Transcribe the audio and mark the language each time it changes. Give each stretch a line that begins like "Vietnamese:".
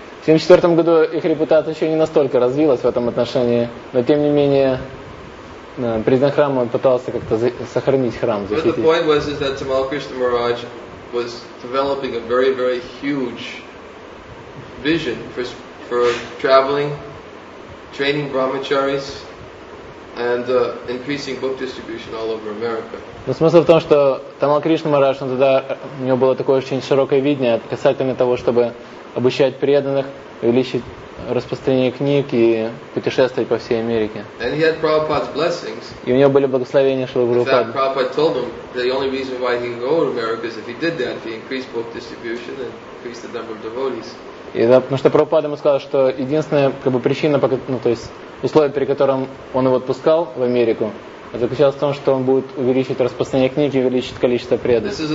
Russian: В 1974 году их репутация еще не настолько развилась в этом отношении, но тем не менее президент храма пытался как-то сохранить храм, защитить.
English: But the point was is that Tamal Krishna Maharaj was developing a very, very huge vision for traveling, training brahmacharis, and increasing book distribution all over America.
Russian: Но смысл в том, что Тамал Кришна Махарадж, он тогда, у него было такое очень широкое видение касательно того, чтобы обучать преданных, увеличить распространение книг и путешествовать по всей Америке.
English: And he had Prabhupada's blessings.
Russian: И у него были благословения Шрилы Прабхупады.
English: In fact, Prabhupada told him that the only reason why he can go to America is if he did that, if he increased book distribution and increased the number of devotees.
Russian: И да, потому что Прабхупада ему сказал, что единственная как бы причина, ну то есть условие, при котором он его отпускал в Америку, заключалось в том, что он будет увеличить распространение книги, увеличить количество преданных.